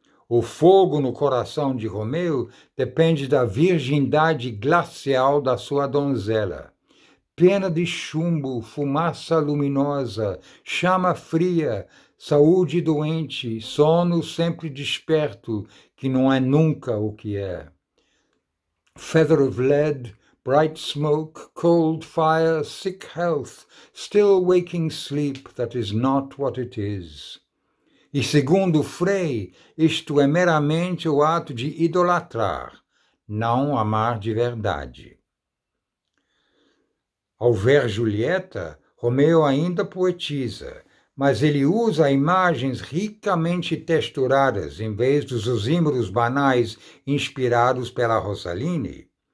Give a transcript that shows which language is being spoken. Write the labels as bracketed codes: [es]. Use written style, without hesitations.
[pt] O fogo no coração de Romeu depende da virgindade glacial da sua donzela. Pena de chumbo, fumaça luminosa, chama fria, saúde doente, sono sempre desperto, que não é nunca o que é. [en] Feather of lead, bright smoke, cold fire, sick health, still waking sleep that is not what it is. [pt] E segundo Frei, isto é meramente o ato de idolatrar, não amar de verdade. Ao ver Julieta, Romeu ainda poetiza, mas ele usa imagens ricamente texturadas em vez dos osímeros banais inspirados pela Rosaline.